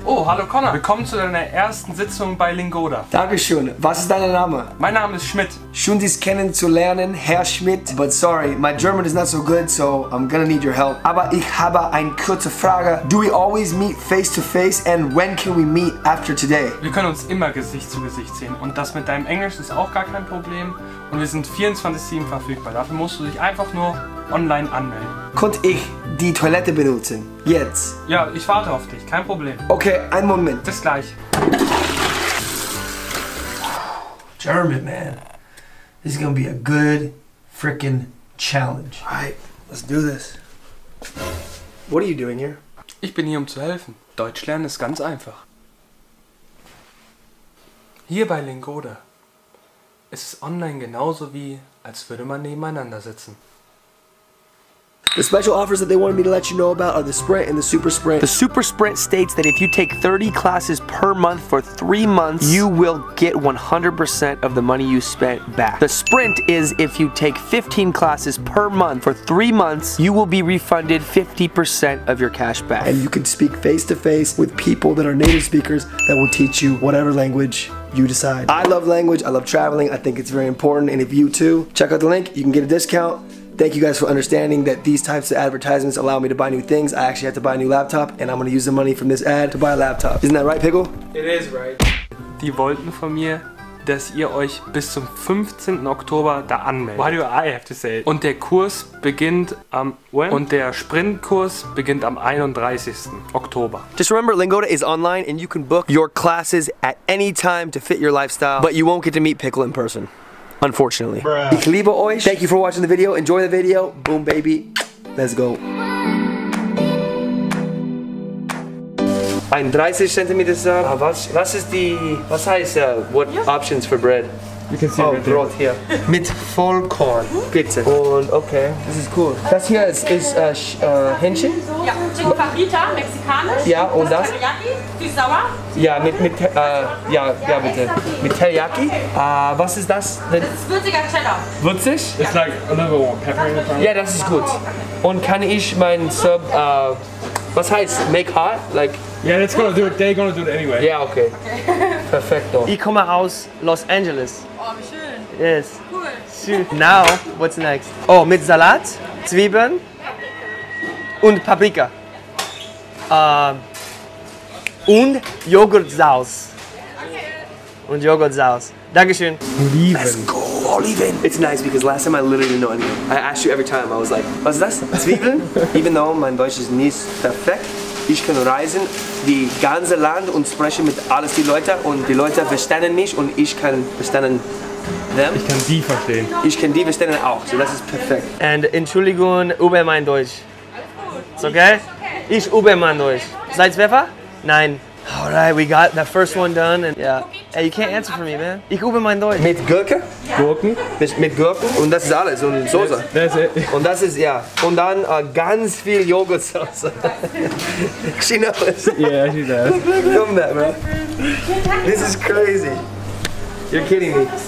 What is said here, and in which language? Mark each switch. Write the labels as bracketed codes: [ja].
[de] Oh, hallo Connor. Willkommen zu deiner ersten Sitzung bei Lingoda. Dankeschön. Was ist dein Name? Mein Name ist Schmidt. Schön, dich kennenzulernen, Herr Schmidt. [en] But sorry, my German is not so good, so I'm gonna need your help. [de] Aber ich habe eine kurze Frage. [en] Do we always meet face to face and when can we meet after today? [de] Wir können uns immer Gesicht zu Gesicht sehen und das mit deinem Englisch ist auch gar kein Problem. Und wir sind 24/7 verfügbar. Dafür musst du dich einfach nur online anmelden. Konnte ich die Toilette benutzen? Jetzt? Ja, ich warte auf dich. Kein Problem. Okay, einen Moment. Bis gleich. [en] German, man. This is gonna be a good freaking challenge. Alright, let's do this. What are you doing here? [de] Ich bin hier, um zu helfen. Deutsch lernen ist ganz einfach. Hier bei Lingoda. Es ist online genauso wie, als würde man nebeneinander sitzen. [en] The special offers that they wanted me to let you know about are the Sprint and the Super Sprint. The Super Sprint states that if you take 30 classes per month for 3 months, you will get 100% of the money you spent back. The Sprint is if you take 15 classes per month for 3 months, you will be refunded 50% of your cash back. And you can speak face to face with people that are native speakers that will teach you whatever language you decide. I love language, I love traveling, I think it's very important, and if you too, check out the link, you can get a discount. Thank you guys for understanding that these types of advertisements allow me to buy new things. I actually have to buy a new laptop, and I'm gonna use the money from this ad to buy a laptop. Isn't that right, Pickle? It is right. [de] Die wollten von mir, dass ihr euch bis zum 15. Oktober da anmeldet. [en] Why do I have to say it? [de] Und der Kurs beginnt am [en] when? [de] Und der Sprintkurs beginnt am 31. Oktober. [en] Just remember, Lingoda is online, and you can book your classes at any time to fit your lifestyle, but you won't get to meet Pickle in person. Unfortunately. Bruh. [de] Ich liebe euch. [en] Thank you for watching the video. Enjoy the video. Boom, baby. Let's go. [de] Ein 30 cm Sub. Was ist die... Was heißt... [en] What options for bread? You can see it. [de] Oh, Brot hier. Mit Vollkorn. Bitte. Und okay. [en] This is cool. [de] Das hier ist Hähnchen. Ja. Chicharrita, mexikanisch. Ja, und das? Teriyaki. Süß sauer. Ja, mit ja, bitte. Mit Teriyaki. Okay. Was ist das? Das ist würziger Cheddar. Würzig? [en] It's like a little pepper in the front. [de] Ja, das ist gut. Und kann ich mein Sub, was heißt, [en] make hot? Like. Yeah, that's gonna do it. They're gonna do it anyway. Yeah, okay. [de] Perfecto. Ich komme aus Los Angeles. Oh, schön. [en] Yes. Cool. Now, what's next? [de] Oh, mit Salat, Zwiebeln und Paprika. Und Joghurtsauce. [en] Okay. [de] Und Joghurtsauce. Dankeschön. Lieben. [en] Let's go. all even. It's nice because last time I literally didn't know anything. I asked you every time. I was like, [de] was das Zwiebeln? [en] Even though [de] mein Deutsch ist nicht perfekt, ich kann reisen die ganze Land und sprechen mit alles die Leute und die Leute verstehen mich und ich kann verstehen them. Ich kann die verstehen. Ich kann die verstehen auch. So das ist perfekt. And Entschuldigung über mein Deutsch. [en] It's okay? [de] Ich über mein Deutsch. Seid Pfeffer? Nein. [en] All right, we got the first one done, and yeah. Hey, you can't answer for me, man. [de] Ich übe mein Deutsch. Mit Gurke? Gurken. Mit Gurken, und das ist alles, und Soße. [en] That's it. [de] Und das ist, ja. Und dann ganz viel Joghurtsauce. [en] She knows. Yeah, she does. Come back, man. This is crazy. You're kidding me.